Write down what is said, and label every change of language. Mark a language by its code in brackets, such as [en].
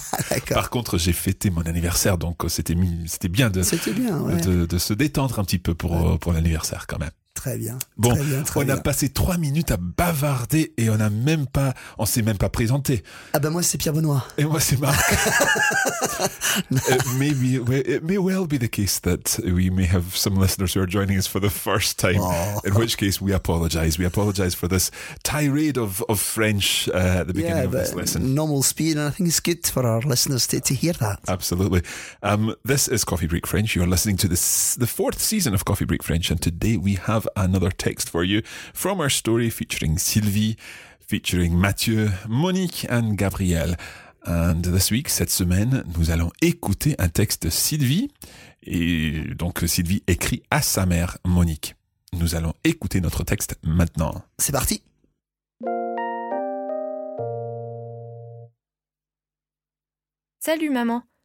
[fr] D'accord. Par contre, j'ai fêté mon anniversaire, donc c'était bien. De se détendre un petit peu pour l'anniversaire quand même. Très bien. Bon, très bien. A passé 3 minutes à bavarder et on s'est même pas présenté. Ah ben moi c'est Pierre Benoît. Et moi c'est Marc. [en] It may well be the case that we may have some listeners who are joining us for the first time. Oh. In which case we apologize. We apologize for this tirade of French at the beginning of this lesson. Normal speed, and I think it's good for our listeners to hear that. Absolutely. This is Coffee Break French. You are listening to the fourth season of Coffee Break French, and today we have another text for you from our story featuring Sylvie, featuring Mathieu, Monique and Gabriel. And this week, [fr] cette semaine, nous allons écouter un texte de Sylvie. Et donc Sylvie écrit à sa mère Monique. Nous allons écouter notre texte maintenant. C'est parti. Salut maman,